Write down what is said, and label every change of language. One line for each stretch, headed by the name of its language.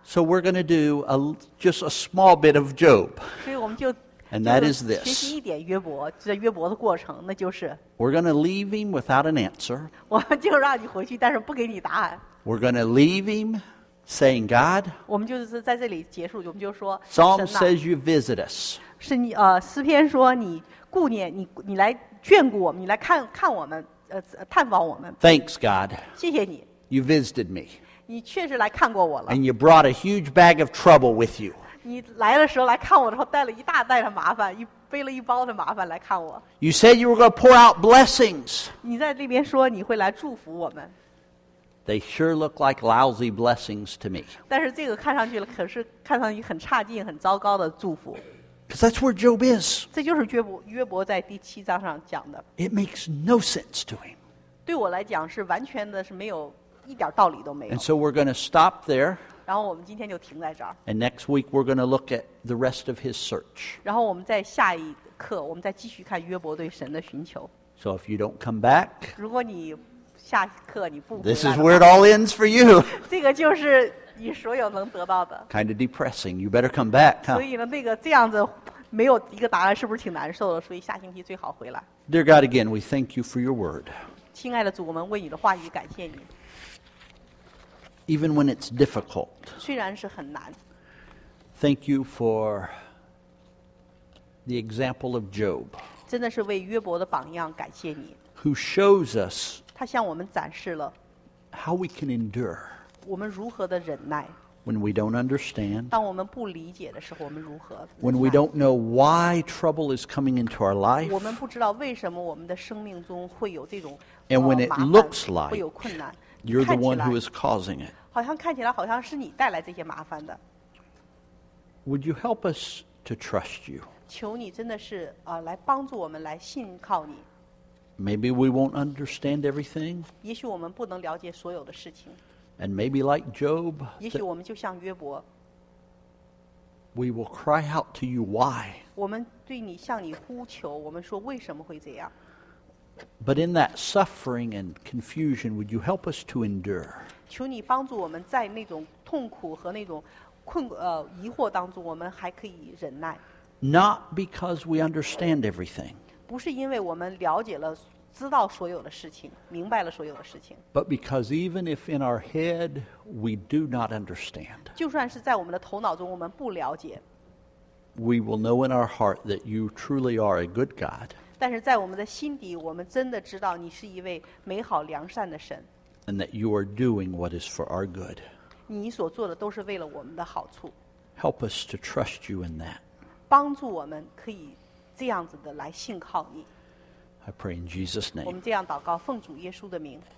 English: So we're going to do just a small bit of Job.
Chinese: 所以我们就
English: and that is this
Chinese: 学习一点约伯，在约伯的过程，那就是
English: we're going to leave him without an answer.
Chinese: 我们就让你回去，但是不给你答案。
English: We're going to leave him saying, "God."
Chinese: 我们就是在这里结束，我们就说
English: Psalm says you visit us.
Chinese: 是你诗篇说你顾念你来眷顾我们你来看我们探访我们
English: Thanks God
Chinese: 谢谢你
English: You visited me
Chinese: 你确实来看过我了
English: And you brought a huge bag of trouble with you
Chinese: 你来的时候来看我的时候带了一大袋的麻烦一背了一包的麻烦来看我
English: You said you were going to pour out blessings
Chinese: 你在那边说你会来祝福我们
English: They sure look like lousy blessings to me
Chinese: 但是这个看上去可是看上去很差劲很糟糕的祝福
English: Because that's where Job is.
Chinese: 这就是约伯，约伯在第七章上讲的。
English: It makes no sense to him.
Chinese: 对我来讲是完全的是没有一点道理都没有。
English: And so we're going to stop there.
Chinese: 然后我们今天就停在这儿。
English: And next week we're going to look at the rest of his search.
Chinese: 然后我们在下一课，我们再继续看约伯对神的寻求。
English: So if you don't come back,
Chinese: 如果你下课你不回来，
English: this is where it all ends for you.
Chinese: 这个就是你所有能得到的。
English: Kind of depressing. You better come back.
Chinese: 所以呢，那个这样子没有一个答案，是不是挺难受的？所以下星期最好回来。
English: Dear God, again, we thank you for your word.
Chinese: 亲爱的主，我们为你的话语感谢你。
English: Even when it's difficult.
Chinese: 虽然是很难。
English: Thank you for the example of Job.
Chinese: 真的是为约伯的榜样感谢你。
English: Who shows us?
Chinese: 他向我们展示了。
English: How we can endure.
Chinese: 我们如何的忍耐。
English: When we don't understand.
Chinese: 当我们不理解的时候，我们如何？
English: When we don't know why trouble is coming into our life.
Chinese: 我们不知道为什么我们的生命中会有这种。
English: And when it looks like.
Chinese: 会有困难。
English: You're the one who is causing it.
Chinese: 好像看起来好像是你带来这些麻烦的。
English: Would you help us to trust you?
Chinese: 求你真的是啊，来帮助我们来信靠你。
English: Maybe we won't understand everything.
Chinese: 也许我们不能了解所有的事情。
English: And maybe like Job,
Chinese: 也许我们就像约伯,
English: we will cry out to you, why?
Chinese: 我们对你向你呼求, 我们说为什么会这样?
English: But in that suffering and confusion, would you help us to endure?
Chinese: 求你帮助我们在那种痛苦和那种困, 疑惑当中, 我们还可以忍耐。
English: Not because we understand everything.
Chinese: 不是因为我们了解了知道所有的事情，明白了所有的事情。
English: But because even if in our head we do not understand,
Chinese: 就算是在我们的头脑中我们不了解，
English: we will know in our heart that you truly are a good God.
Chinese: 但是在我们的心底，我们真的知道你是一位美好良善的神。
English: And that you are doing what is for our good.
Chinese: 你所做的都是为了我们的好处。
English: Help us to trust you in that.
Chinese: 帮助我们可以这样子的来信靠你。
English: I pray in Jesus' name.
Chinese: 我们这样祷告，奉主耶稣的名。